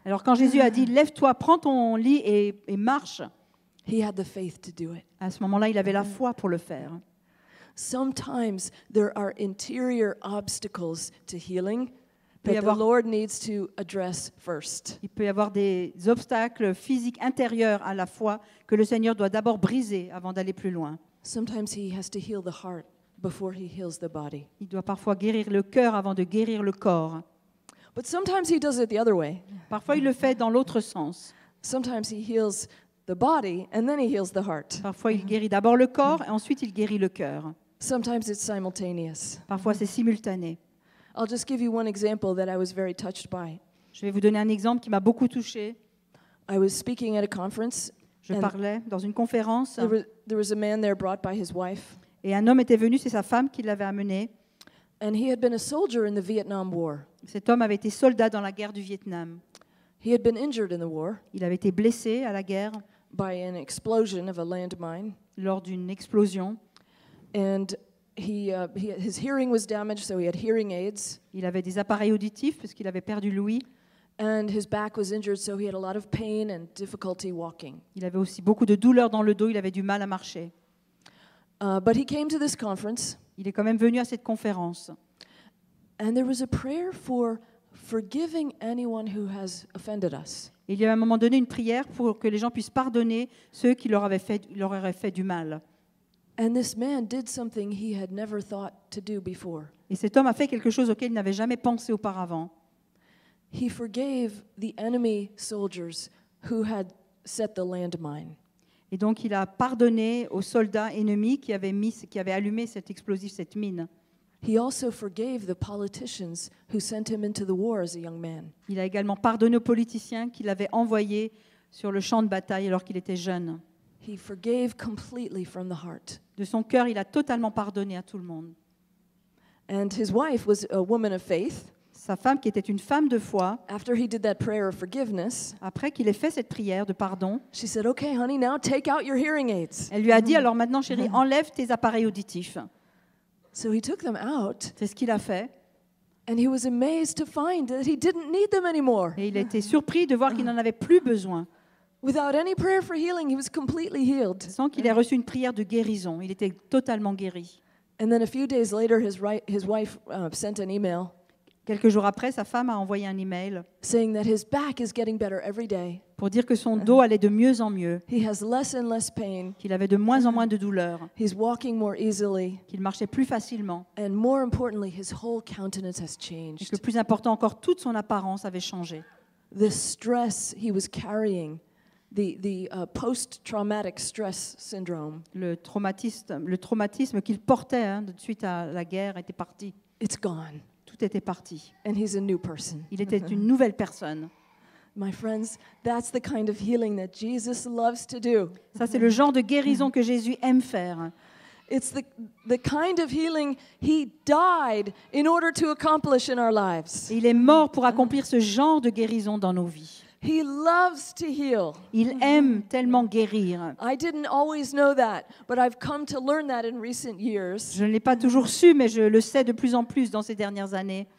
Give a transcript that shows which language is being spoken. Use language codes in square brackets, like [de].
[fr] Alors quand Jésus a dit, lève-toi, prends ton lit et marche. [en] He had the faith to do it. [fr] À ce moment-là, il avait la foi pour le faire. [en] Sometimes there are interior obstacles to healing. But the Lord needs to address first. [fr] Il peut y avoir des obstacles physiques intérieurs à la foi que le Seigneur doit d'abord briser avant d'aller plus loin. [en] Sometimes he has to heal the heart before he heals the body. [fr] Il doit parfois guérir le cœur avant de guérir le corps. [en] But sometimes he does it the other way. [fr] Parfois il le fait dans l'autre sens. [en] Sometimes he heals the body and then he heals the heart. [fr] Parfois il guérit d'abord le corps et ensuite il guérit le cœur. [en] Sometimes it's simultaneous. [fr] Parfois c'est simultané. [en] I'll just give you one example that I was very touched by. [fr] Je vais vous donner un exemple qui m'a beaucoup touché. [en] I was speaking at a conference. [fr] Je parlais dans une conférence. [en] There was a man there brought by his wife. [fr] Et un homme était venu, c'est sa femme qui l'avait amené. [en] And he had been a soldier in the Vietnam War. [fr] Cet homme avait été soldat dans la guerre du Vietnam. [en] He had been injured in the war. [fr] Il avait été blessé à la guerre. [en] By an explosion of a landmine. [fr] Lors d'une explosion. [en] And his hearing was damaged, so he had hearing aids. [fr] Il avait des appareils auditifs parce qu'il avait perdu l'ouïe. [en] And his back was injured, so he had a lot of pain and difficulty walking. [fr] Il avait aussi beaucoup de douleurs dans le dos. Il avait du mal à marcher. [en] But he came to this conference. [fr] Il est quand même venu à cette conférence. [en] And there was a prayer for forgiving anyone who has offended us. [fr] Il y a un moment donné une prière pour que les gens puissent pardonner ceux qui leur auraient fait du mal. [en] And this man did something he had never thought to do before. [fr] Et cet homme a fait quelque chose auquel il n'avait jamais pensé auparavant. [en] He forgave the enemy soldiers who had set the landmine. [fr] Et donc il a pardonné aux soldats ennemis qui avaient allumé cet explosif, cette mine. [en] He also forgave the politicians who sent him into the war as a young man. [fr] Il a également pardonné aux politiciens qui l'avaient envoyé sur le champ de bataille alors qu'il était jeune. [en] He forgave completely from the heart. [fr] De son cœur, il a totalement pardonné à tout le monde. [en] And his wife was a woman of faith. [fr] Sa femme, qui était une femme de foi, [en] after he did that prayer of forgiveness, [fr] après qu'il ait fait cette prière de pardon, [en] she said, "Okay, honey, now take out your hearing aids." [fr] Elle lui a dit, alors maintenant, chérie, enlève tes appareils auditifs. [en] So he took them out. [fr] C'est ce qu'il a fait. [en] And he was amazed to find that he didn't need them anymore. [fr] Et il était surpris de voir qu'il n'en avait plus besoin. [en] Without any prayer for healing, he was completely healed. [fr] Sans qu'il ait reçu une prière de guérison, il était totalement guéri. [en] And then a few days later, his wife sent an email. [fr] Quelques jours après, sa femme a envoyé un email [en] saying that his back is getting better every day. [fr] Pour dire que son dos allait de mieux en mieux. [en] He has less and less pain. [fr] Qu'il avait de moins en moins de douleurs. [en] He's walking more easily. [fr] Qu'il marchait plus facilement. [en] And more importantly, his whole countenance has changed. [fr] Et que plus important encore, toute son apparence avait changé. [en] The stress he was carrying. The post-traumatic stress syndrome. [fr] Le traumatisme qu'il portait suite à la guerre était parti. [en] It's gone. [fr] Tout était parti. [en] And he's a new person. [fr] Il était une nouvelle personne. [en] My friends, that's the kind of healing that Jesus loves to do. [fr] Ça c'est le genre de guérison que Jésus aime faire. [en] It's the kind of healing he died in order to accomplish in our lives. [fr] Il est mort pour accomplir ce genre de guérison dans nos vies. [en] He loves to heal. [fr] Il aime tellement guérir. [en] I didn't always know that, but I've come to learn that in recent years. [fr] Je ne l'ai pas toujours su, mais je le sais de plus en plus dans ces dernières années.